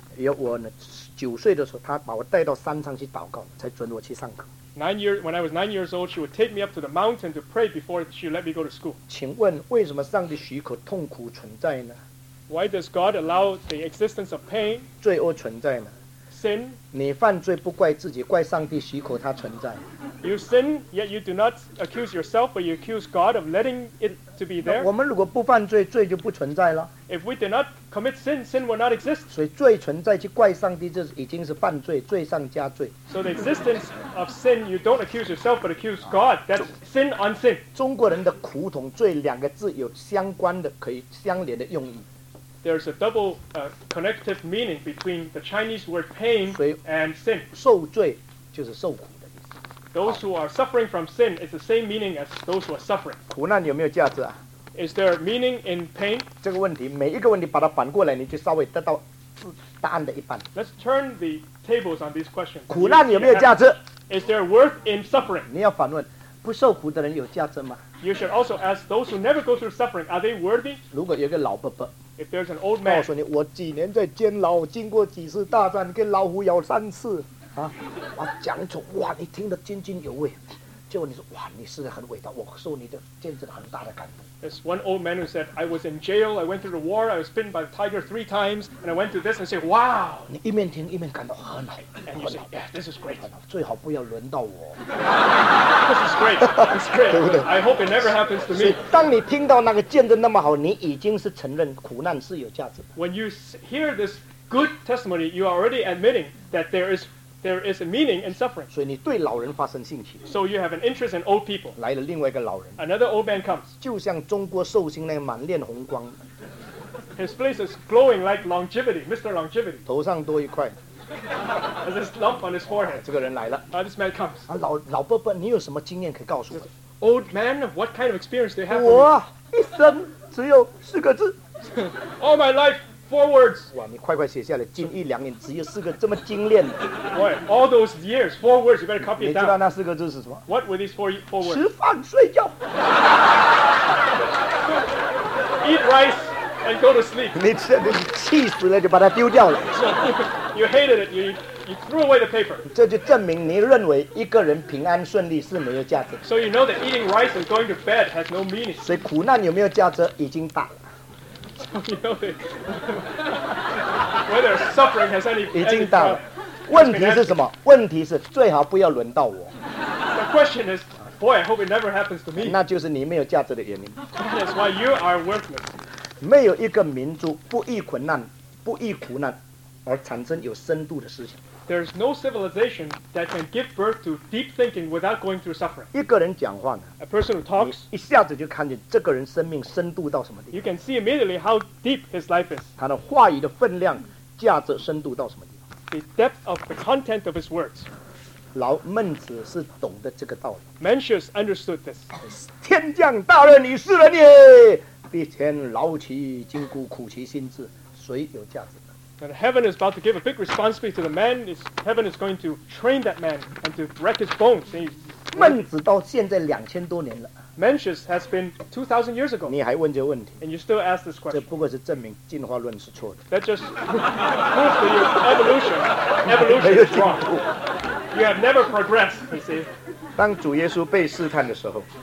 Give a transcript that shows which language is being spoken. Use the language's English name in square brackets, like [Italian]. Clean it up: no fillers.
[Chinese] 有我呢，九岁的时候，他把我带到山上去祷告，才准我去上课。 [English] When I was 9 years old, she would take me up to the mountain to pray before she let me go to school. [Chinese] 请问为什么上帝许可痛苦存在呢 [English] ？Why does God allow the existence of pain? [Chinese] 罪恶存在呢？你犯罪不怪自己，怪上帝许可它存在。 [English] You sin, yet you do not accuse yourself, but you accuse God of letting it to be there. [Chinese] 我们如果不犯罪，罪就不存在了。 [English] If we did not commit sin, sin will not exist. [Chinese] 所以罪存在去怪上帝，这已经是犯罪，罪上加罪。 [English] So the existence of sin, you don't accuse yourself, but accuse God. That's sin on sin. [Chinese] 中国人的苦痛罪两个字有相关的可以相连的用意。 [English] There's a double connective meaning between the Chinese word pain and sin. [Chinese] 受罪就是受苦的意思。 [English] Those who are suffering from sin is the same meaning as those who are suffering. [Chinese] 苦难有没有价值啊？ [English] Is there meaning in pain? [Chinese] 这个问题，每一个问题把它反过来，你就稍微得到答案的一半。 [English] Let's turn the tables on these questions. [Chinese] 苦难有没有价值？ [English] Is there worth in suffering? [Chinese] 你要反问。不受苦的人有价值吗？ [English] You should also ask those who never go through suffering, are they worthy? [Chinese] 如果有个老伯伯， [English] If there's an old man, [Chinese] 告诉你，我几年在监牢，经过几次大战，跟老虎咬三次，我讲出，哇，你听得津津有味，结果你说，哇，你是很伟大，我受你的见证很大的感动。 [English] There's one old man who said, I was in jail, I went through the war, I was bitten by the tiger 3 times, and I went through this and said, wow! [Chinese] 你一面听一面感到很好。 [English] And you said, yeah, this is great. [Chinese] 最好不要轮到我。 [English] This is great, it's great. [Chinese] 对不对？ [English] I hope it never happens to me. [Chinese] 当你听到那个见证那么好，你已经是承认苦难是有价值的。 [English] When you hear this good testimony, you are already admitting that there is a meaning in suffering. [Chinese] 所以你对老人发生兴趣。 [English] So you have an interest in old people. [Chinese] 来了另外一个老人。 [English] Another old man comes. [Chinese] 就像中国寿星那样满脸红光。 [English] His face is glowing like longevity, Mr. Longevity. [Chinese] 头上多一块。 [English] There's this lump on his forehead. [Chinese] 这个人来了。 [English] This man comes. [Chinese] 老伯伯，你有什么经验可以告诉我 [English] ？Old man, what kind of experience do you have? [Chinese] 我一生只有四个字。 [English] All my life. Four words. [Chinese] 哇，你快快写下来，金玉良言，只有四个这么精炼的。 [English] Boy, all those years, four words. You better copy it down. [Chinese] 你知道那四个字是什么 [English] ？What were these four words? [Chinese] 吃饭睡觉。 [English] Eat rice and go to sleep. [Chinese] 你气死了，就把它丢掉了。 [English] You hated it. You You threw away the paper. [Chinese] 这就证明你认为一个人平安顺利是没有价值。 [English] So you know that eating rice and going to bed has no meaning. [Chinese] 所以苦难有没有价值已经打了。 [English] So you know that whether suffering has any [Chinese] 已经打了。问题是什么？问题是最好不要轮到我。 [English] The question is, boy, I hope it never happens to me. [Chinese] 那就是你没有价值的原因。 [English] That's why you are worthless. [Chinese] 没有一个民族不遇困难，不遇苦难。而产生有深度的思想。 [English] There is no civilization that can give birth to deep thinking without going through suffering. [Chinese] 一个人讲话呢 [English] ，a person who talks， [Chinese] 一下子就看见这个人生命深度到什么地方。 [English] You can see immediately how deep his life is. [Chinese] 他的话语的分量、价值、深度到什么地方 [English] ？The depth of the content of his words. [Chinese] 老孟子是懂得这个道理。 [English] Mencius understood this. [Chinese] 天降大任于斯人也，必先劳其筋骨，苦其心志，谁有价值？ [English] And heaven is about to give a big responsibility to the man. Heaven is going to train that man and to break his bones. [Chinese] 孟子到现在两千多年了。 [English] Mencius has been 2,000 years ago. [Chinese] 你还问这个问题？ [English] And you still ask this question. [Chinese] 这不过是证明进化论是错的。 [English] That just proves to you evolution is wrong. You have never progressed. You see. [Chinese] 当主耶稣被试探的时候